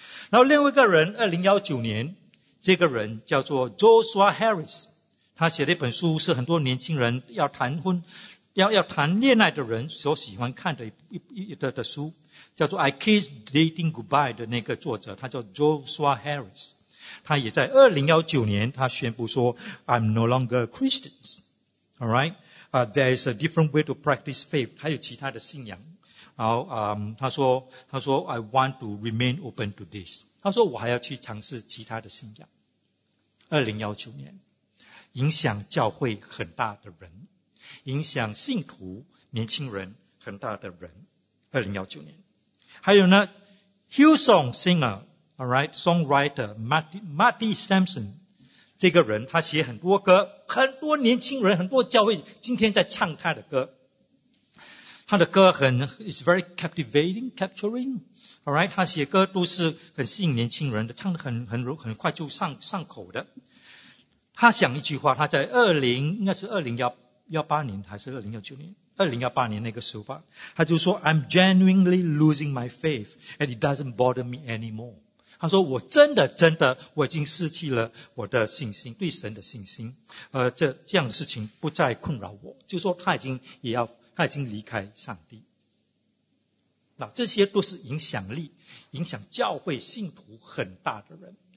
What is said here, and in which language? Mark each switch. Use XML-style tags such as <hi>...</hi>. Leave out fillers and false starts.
<zh>然后另外一个人2019年这个人叫做 Joshua Harris， 他写了一本书，是很多年轻人要谈婚要谈恋爱的人所喜欢看的一书，叫做 I Kiss Dating Goodbye 的那个作者，他叫 Joshua Harris。他也在2019年他宣布说</zh> <en>I'm no longer Christians, alright,there is a different way to practice faith,</en> <zh>还有其他的信仰。然后他说</zh> <en>I want to remain open to this,</en> <zh>他说我还要去尝试其他的信仰。 2019年影响教会很大的人，影响信徒年轻人很大的人。 2019年还有呢 Hillsong singerAlright, songwriter Marty Sampson 这个人，他写很多歌，很多年轻人很多教会今天在唱他的歌，他的歌很</zh> <en>is very captivating, capturing.</en> <zh>Alright, 他写歌都是很吸引年轻人的，唱得很快就上口的。他想一句话，他在2018年那个时候吧，他就说</zh> <en>I'm genuinely losing my faith and it doesn't bother me anymore.</en> <zh>他说我真的我已经失去了我的信心，对神的信心，这样的事情不再困扰我，就是说他已经离开上帝。那这些都是影响力影响教会信徒很大的人。</zh>